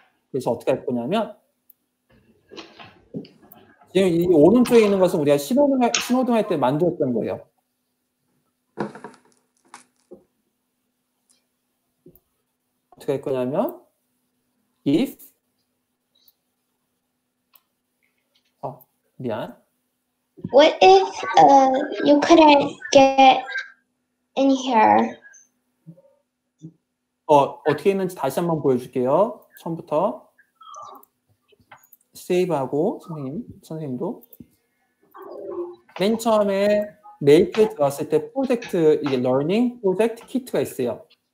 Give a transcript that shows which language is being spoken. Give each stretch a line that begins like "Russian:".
Korean: 그래서 어떻게 할 거냐면 지금 이 오른쪽에 있는 것은 우리가 신호등 할때 만들었던 거예요. 어떻게 할 거냐면 if 미안.
English: What if you couldn't get in here?
Korean: 어떻게 했는지 다시 한번 보여줄게요. 처음부터. 세이브하고 선생님도 맨 처음에 메이크에 들어왔을 때 프로젝트 이게 러닝 프로젝트 키트가 있어요.